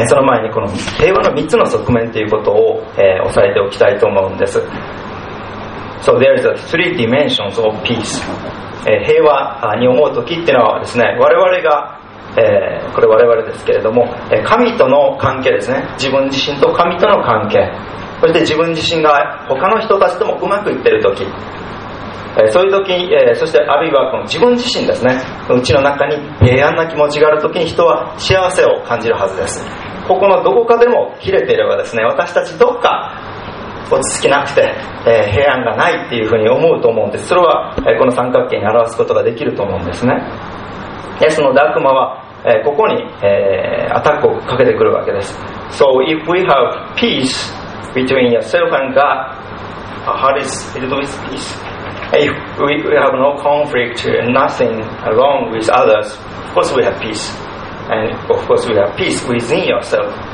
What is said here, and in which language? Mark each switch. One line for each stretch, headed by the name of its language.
Japanese: その前にこの平和の3つの側面ということを押さえておきたいと思うんです。
English: So there is a three dimensions of peace。
Japanese: 平和に思うときっていうのはですね、我々がこれ我々ですけれども神との関係ですね、自分自身と神との関係、そして自分自身が他の人たちともうまくいってるとき、そういうとき、そしてあるいはこの自分自身ですね、うちの中に平安な気持ちがあるときに人は幸せを感じるはずです。ここのどこかでも切れていればですね、私たちどっか落ち着きなくて平安がないっていうふうに思うと思うんです。それはこの三角形に表すことができると思うんですね。ですので悪魔はここにアタックをかけてくるわけです。
English: So if we have peace between yourself and God, how is it with peace? If we have no conflict, nothing wrong with others, of course we have peace. And of course we have peace within yourself.